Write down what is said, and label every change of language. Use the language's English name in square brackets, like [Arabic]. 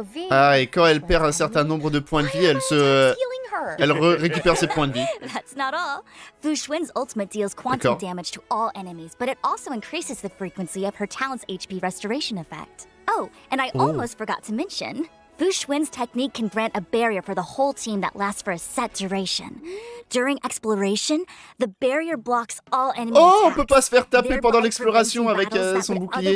[French] Ah, et quand elle perd un certain nombre de points de vie, elle récupère ses points de vie. [English] That's not all. Fushwin's ultimate deals quantum [French] D'accord. [English] damage to all enemies, but it also increases the frequency of her talent's HP restoration effect. Oh, and I almost forgot to mention, Fushwin's technique can grant a barrier for the whole team that lasts for a set duration. During exploration, the barrier blocks all enemy attacks. [French] Oh, on peut pas se faire taper pendant l'exploration avec son bouclier.